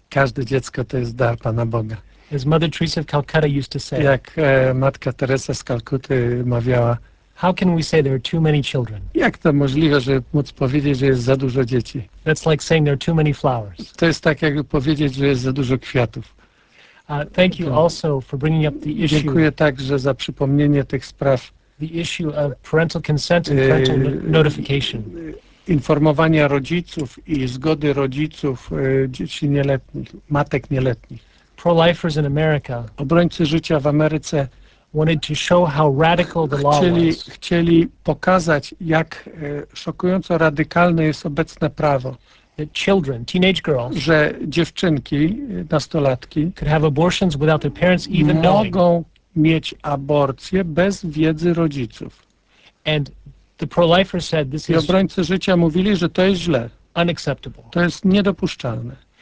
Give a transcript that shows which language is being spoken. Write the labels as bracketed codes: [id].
[pl] Każde dziecko to jest dar Pana Boga. [en] As Mother Teresa of Calcutta used to say. [pl] Jak matka Teresa z Kalkuty mawiała, [en] How can we say there are too many children? [pl] Jak to możliwe, że móc powiedzieć, że jest za dużo dzieci? [en] That's like saying there are too many flowers. [pl] To jest tak, jakby powiedzieć, że jest za dużo kwiatów. [en] Thank you also for bringing up the issue. [pl] Dziękuję także za przypomnienie tych spraw. [en] The issue of parental consent and parental notification. [pl] Informowania rodziców i zgody rodziców dzieci nieletnich, matek nieletnich. [en] Pro-lifers in America. [pl] Obrońcy życia w Ameryce. [en] Wanted to show how radical the law was. [pl] Chcieli pokazać, jak szokująco radykalne jest obecne prawo. [en] That children, teenage girls, [pl] że dziewczynki, nastolatki, [en] could have abortions without their parents even knowing. [pl] Mogą mieć aborcje bez wiedzy rodziców. [en] And the pro-lifer said this is. [pl] I obrońcy życia mówili, że to jest źle. [en] Unacceptable. [pl] To jest niedopuszczalne.